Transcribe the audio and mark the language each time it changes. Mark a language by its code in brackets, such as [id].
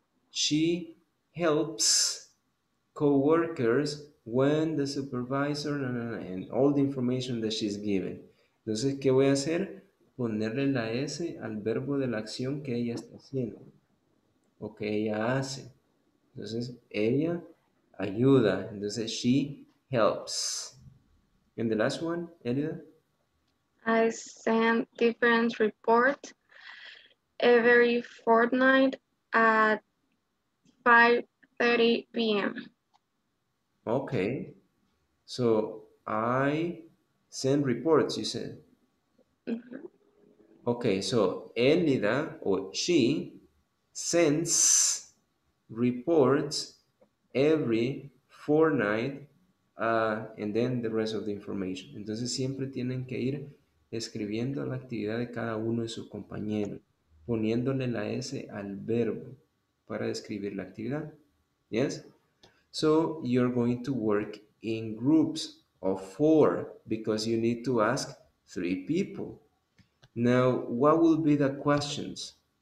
[en] She helps coworkers when the supervisor and all the information that she's given. [es] Entonces, ¿qué voy a hacer? Ponerle la S al verbo de la acción que ella está haciendo o que ella hace. Entonces, ella ayuda. Entonces, [en] she helps. And the last one, Elida. I send different reports every fortnight at 5:30 p.m. Okay. So, I send reports, you said. Mm-hmm. Okay, so Elida, or she, sends reports every fortnight, and then the rest of the information. [es] Entonces siempre tienen que ir escribiendo la actividad de cada uno de sus compañeros, poniéndole la S al verbo para describir la actividad. [en] Yes? So you're going to work in groups of four because you need to ask three people. Now, what will be the questions?